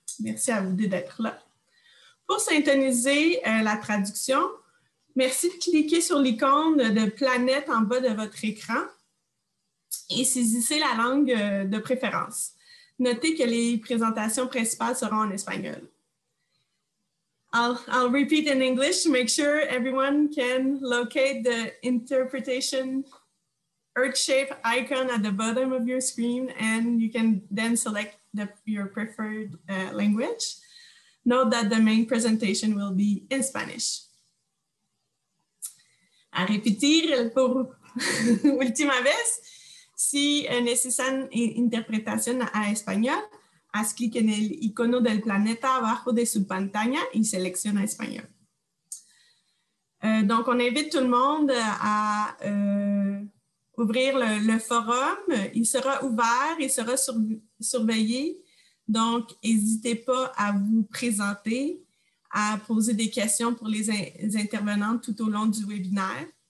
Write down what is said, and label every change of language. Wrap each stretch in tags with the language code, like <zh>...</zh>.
<fr>Merci à vous deux d'être là. Pour synchroniser la traduction, merci de cliquer sur l'icône de planète en bas de votre écran et saisissez la langue de préférence. Notez que les présentations principales seront en espagnol.</fr> <en>I'll repeat in English to make sure everyone can locate the interpretation earth shape icon at the bottom of your screen and you can then select your preferred language. Note that the main presentation will be in Spanish.</en> <fr>À répéter</fr> <es>pour última vez, si necesitan interpretación a español, haz clic en el icono del planeta abajo de su pantalla y selecciona español.</es> <fr>Donc, on invite tout le monde à ouvrir le forum. Il sera ouvert, il sera surveillé. Donc, n'hésitez pas à vous présenter, à poser des questions pour les intervenantes tout au long du webinaire.</fr>